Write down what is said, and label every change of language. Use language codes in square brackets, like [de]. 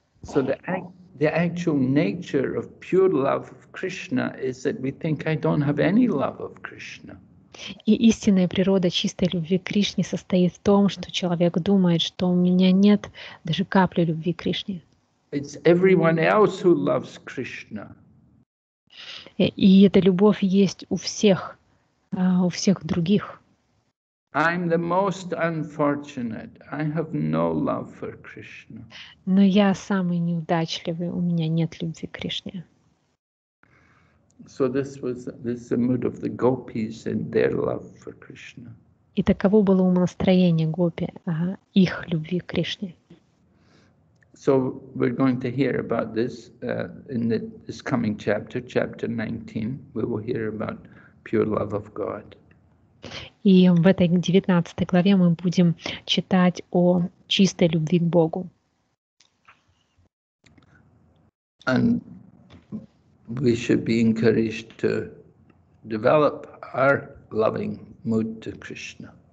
[en] So the actual nature of pure love of Krishna is that we think I don't have any love of Krishna. [ru] И истинная природа чистой любви к Кришне состоит в том, что человек думает, что у меня нет даже капли любви к Кришне. [en] It's everyone else who loves Krishna. [ru] И эта любовь есть у всех других. [en] I'm the most unfortunate. I have no love for Krishna. [ru] Но я самый неудачливый, у меня нет любви к Кришне. [en] So this is the mood of the gopis and their love for Krishna. [ru] И таково было умонастроение гопи, их любви к Кришне. [en] So we're going to hear about this in this coming chapter, chapter 19. We will hear about pure love of God. [ru] И в этой 19 главе мы будем читать о чистой любви к Богу. [en] And we should be encouraged to develop our loving mood to Krishna.